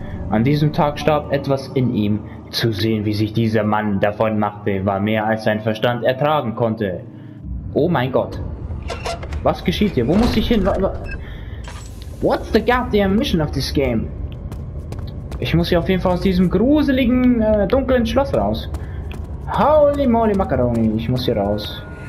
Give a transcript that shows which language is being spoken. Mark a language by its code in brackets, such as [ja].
[de] An diesem Tag starb etwas in ihm. Zu sehen, wie sich dieser Mann davon machte, war mehr als sein Verstand ertragen konnte. Oh mein Gott. Was geschieht hier? Wo muss ich hin? [en] What's the goddamn mission of this game? [de] Ich muss hier auf jeden Fall aus diesem gruseligen, dunklen Schloss raus. [en] Holy moly Macaroni, [de] ich muss hier raus.